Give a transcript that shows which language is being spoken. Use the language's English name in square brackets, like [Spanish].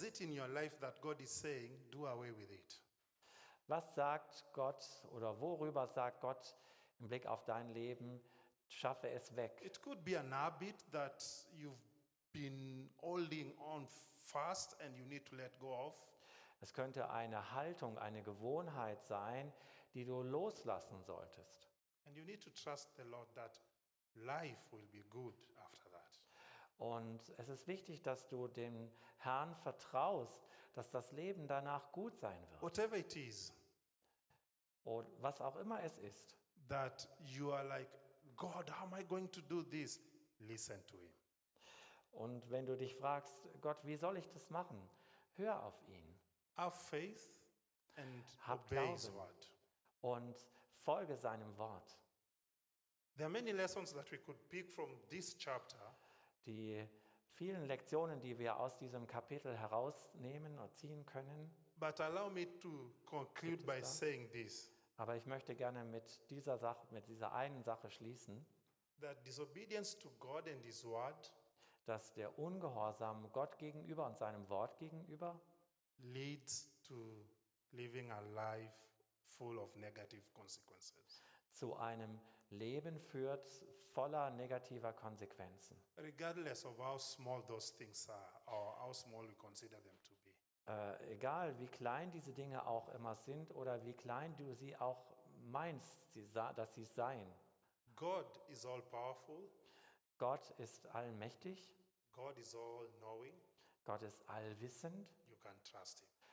[English] What is it in your life that God is saying, do away with it? [German] Was sagt Gott oder worüber sagt Gott im Blick auf dein Leben, schaffe es weg? [English] It could be an habit that you've been holding on fast and you need to let go of. [German] Es könnte eine Haltung, eine Gewohnheit sein, die du loslassen solltest. [English] And you need to trust the Lord that life will be good after that. [German] Und es ist wichtig, dass du dem Herrn vertraust, dass das Leben danach gut sein wird. [English] Whatever it is. [German] Und was auch immer es ist. [English] That you are like, God, how am I going to do this? Listen to him. [German] Und wenn du dich fragst, Gott, wie soll ich das machen? Hör auf ihn. [English] Have faith and [German] hab [English] obey his word. [German] Und folge seinem Wort. [English] There are many lessons that we could pick from this chapter. [German] Die vielen Lektionen, die wir aus diesem Kapitel herausnehmen und ziehen können. [English] But allow me to conclude by saying this. [German] Aber ich möchte gerne mit dieser Sache, mit dieser einen Sache schließen. [English] That disobedience to God and his word, [German] dass der Ungehorsam Gott gegenüber und seinem Wort gegenüber [English] leads to living a life full of negative consequences. [German] Zu einem Leben führt voller negativer Konsequenzen. [English] Regardless of how small those things are or how small we consider them to be. [German] Egal wie klein diese Dinge auch immer sind oder wie klein du sie auch meinst, dass sie seien. [English] God is all powerful. [German] Gott ist allmächtig. [English] God is all knowing. [German] Gott ist allwissend. [English] You can trust him.